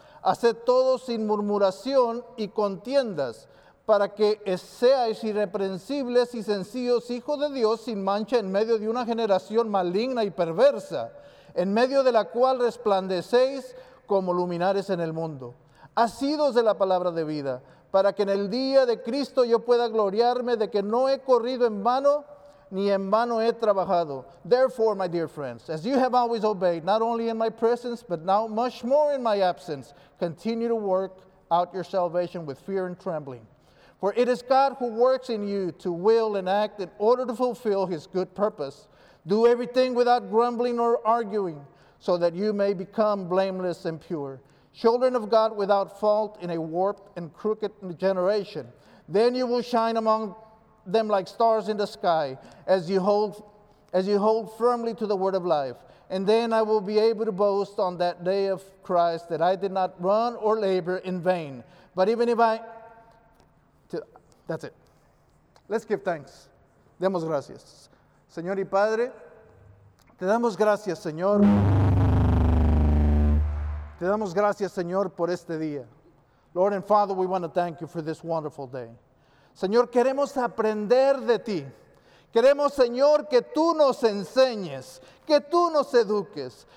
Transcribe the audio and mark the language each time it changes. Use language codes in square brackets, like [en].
[es] Haced todo sin murmuración y contiendas, para que seáis irreprensibles y sencillos hijos de Dios sin mancha en medio de una generación maligna y perversa, en medio de la cual resplandecéis como luminares en el mundo, asidos de la palabra de vida, para que en el día de Cristo yo pueda gloriarme de que no he corrido en vano, ni en vano he trabajado. [en] Therefore, my dear friends, as you have always obeyed, not only in my presence, but now much more in my absence, continue to work out your salvation with fear and trembling. For it is God who works in you to will and act in order to fulfill his good purpose. Do everything without grumbling or arguing, so that you may become blameless and pure, children of God without fault in a warped and crooked generation. Then you will shine among them like stars in the sky as you hold firmly to the word of life. And then I will be able to boast on that day of Christ that I did not run or labor in vain. But even if I... That's it. Let's give thanks. [es] Demos gracias. Señor y Padre, te damos gracias, Señor. Te damos gracias, Señor, por este día. [en] Lord and Father, we want to thank you for this wonderful day. [es] Señor, queremos aprender de ti. Queremos, Señor, que tú nos enseñes, que tú nos eduques.